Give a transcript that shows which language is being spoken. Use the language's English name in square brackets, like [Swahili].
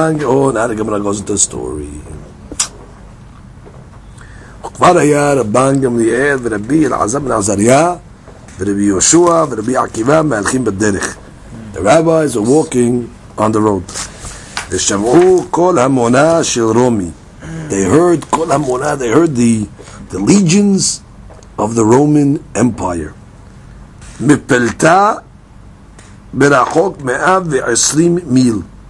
[English] Oh, now the Gemara goes into the story. [Hebrew] כבר היה רבן גמליאל ורבי אלעזר בן עזריה ורבי יהושע ורבי עקיבא מהלכים בדרך. [English] The rabbis are walking on the road. [Hebrew] ושמעו כל המונה של רומי. [English] They heard כל המונה, they heard the legions of the Roman Empire. [Hebrew] מפלטה ברחוק 120 מיל.